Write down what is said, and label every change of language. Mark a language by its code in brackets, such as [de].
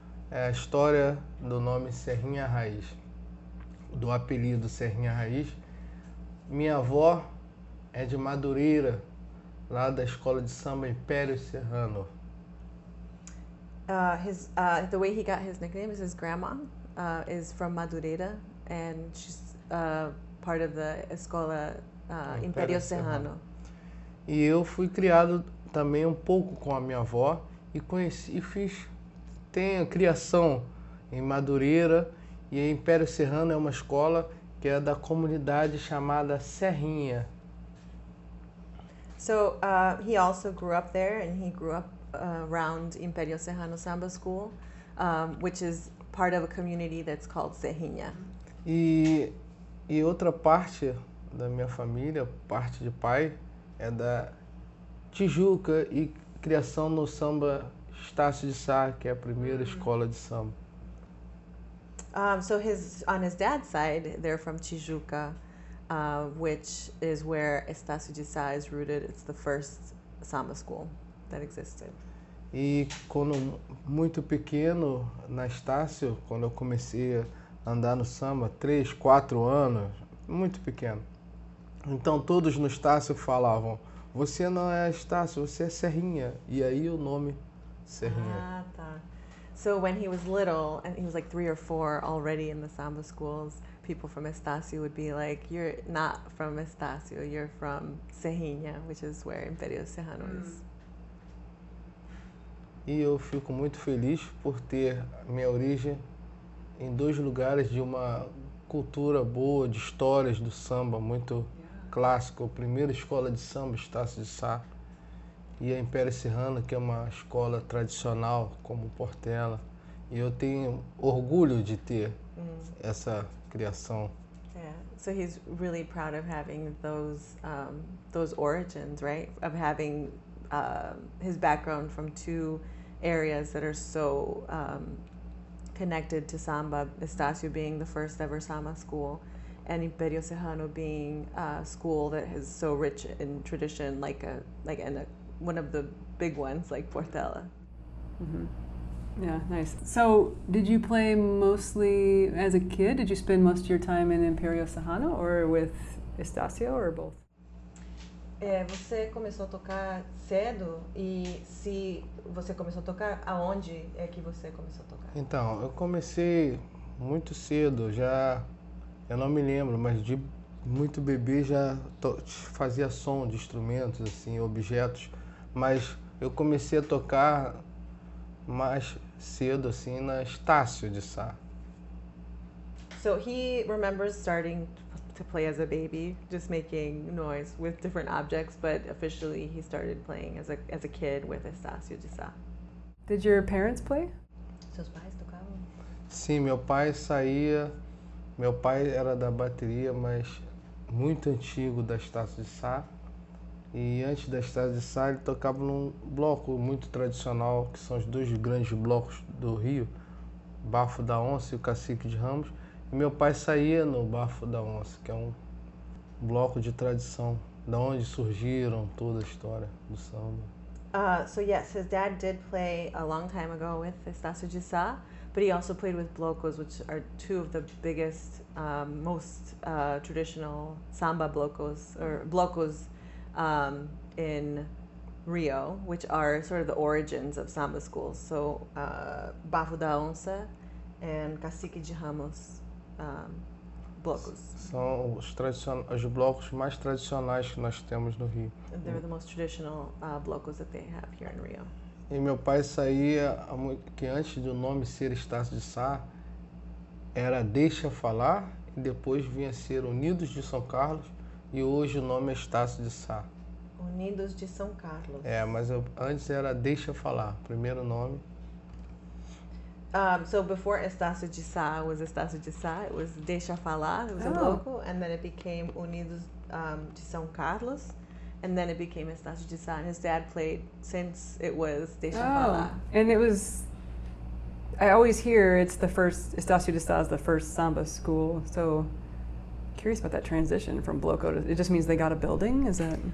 [pt] É a história do nome Serrinha Raiz. Do apelido Serrinha Raiz. Minha avó é de Madureira, lá da Escola de Samba Império Serrano. [en] The way he got his nickname is his grandma is from Madureira, and she's part of the Escola Império Serrano. [pt] E eu fui criado também um pouco com a minha avó e conheci, tenho criação em Madureira, e a Império Serrano é uma escola que é da comunidade chamada Serrinha. [en] So he also grew up there, and he grew up around Imperio Serrano Samba School, which is part of a community that's called Serrinha. [pt] E outra parte da minha família, parte de pai, é da Tijuca e criação no samba Estácio de Sá, que é a primeira escola de samba. [en] So on his dad's side, they're from Tijuca, which is where Estácio de Sá is rooted. It's the first samba school that existed. [pt] E quando muito pequeno, na Estácio, quando eu comecei a andar no samba, 3-4 anos, muito pequeno. Então todos no Estácio falavam, você não é Estácio, você é Serrinha. E aí o nome Serrinha. Ah, tá. [en] So when he was little, and he was like 3 or 4 already in the samba schools, people from Estácio would be like, you're not from Estácio, you're from Serrinha, which is where Imperio Serrano is. [pt] E eu fico muito feliz por ter minha origem em dois lugares de uma cultura boa, de histórias do samba, muito clássico. A primeira escola de samba, Estácio de Sá, e a Império Serrano, que é uma escola tradicional, como Portela. E eu tenho orgulho de ter essa criação. [en] Yeah. So he's really proud of having those origins, right? Of having his background from two areas that are so connected to samba, Estácio being the first ever samba school, and Imperio Serrano being a school that is so rich in tradition, like one of the big ones, like Portela. Mm-hmm. Yeah, nice. So did you play mostly as a kid? Did you spend most of your time in Imperio Serrano or with Estácio or both? [pt] É, você começou a tocar cedo, e se você começou a tocar, aonde é que você começou a tocar? Então, eu comecei muito cedo, já, eu não me lembro, mas de muito bebê já fazia som de instrumentos, assim, objetos, mas eu comecei a tocar mais cedo, assim, na Estácio de Sá. [en] So he remembers starting to play as a baby, just making noise with different objects, but officially he started playing as a kid with Estácio de Sá. Did your parents play? [pt] Seus pais tocavam? Sim, meu pai saía, meu pai era da bateria, mas muito antigo da Estácio de Sá, e antes da Estácio de Sá ele tocava num bloco muito tradicional, que são os dois grandes blocos do Rio, Bafo da Onça e o Cacique de Ramos. Meu pai saía no Bafo da Onça, que é um bloco de tradição, da onde surgiram toda a história do samba. [en] So yes, his dad did play a long time ago with Estácio de Sá, but he also played with blocos, which are two of the biggest, most traditional samba blocos, or blocos in Rio, which are sort of the origins of samba schools. So Bafo da Onça and Cacique de Ramos. [pt] blocos. São os blocos mais tradicionais que nós temos no Rio. [en] And they're the most traditional blocos that they have here in Rio. [pt] E meu pai saía, que antes do nome ser Estácio de Sá, era Deixa Falar, e depois vinha ser Unidos de São Carlos, e hoje o nome é Estácio de Sá. Unidos de São Carlos. É, mas eu, antes era Deixa Falar, primeiro nome. [en] So before Estácio de Sá was Estácio de Sá, it was Deixa Falar, it was a local, and then it became Unidos de São Carlos. And then it became Estácio de Sá, and his dad played since it was Deixa Falar. And it was, I always hear it's the first, Estácio de Sá is the first samba school, so curious about that transition from bloco to, it just means they got a building, is that?